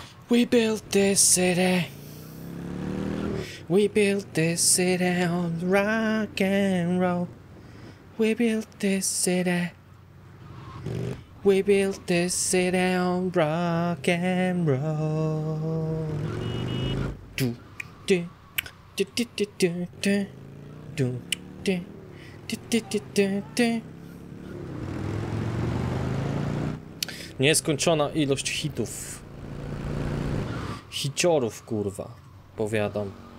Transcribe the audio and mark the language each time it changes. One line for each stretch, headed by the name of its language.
English: We built this city. We built this city on rock and roll. We built this city. We built this city on rock and roll. Do do do do do do do do do do do do do do.
Polish: Nieskończona ilość hitów. Hiciorów, kurwa, powiadam.